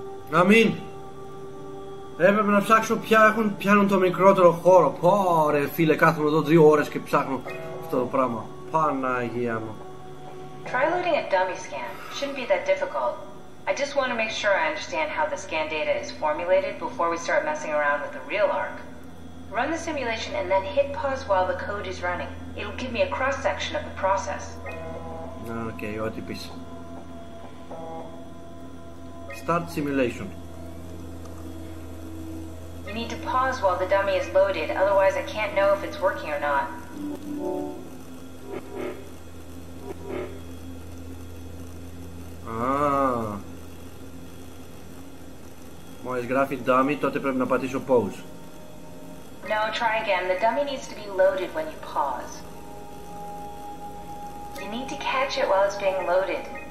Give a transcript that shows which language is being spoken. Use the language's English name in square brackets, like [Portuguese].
[Greek] Να μην! Έπρεπε να ψάξω πιάνουν το μικρότερο χώρο. Ωραία φίλε, κάθομαι εδώ 2 ώρες και ψάχνω αυτό το πράγμα. Παναγία μου. [English] Try loading a dummy scan. Shouldn't be that difficult. I just want to make sure I understand how the scan data is formulated before we start messing around with the real arc. Run the simulation and then hit pause while the code is running. It'll give me a cross section of the process. [Greek] Okay, ό,τι πεις. [English] Start simulation. You need to pause while the dummy is loaded, otherwise I can't know if it's working or not. Ah. [Greek] Μόλις γράφει dummy, τότε πρέπει να πατήσω pause. [English] No, try again. The dummy needs to be loaded when you pause. You need to catch it while it's being loaded.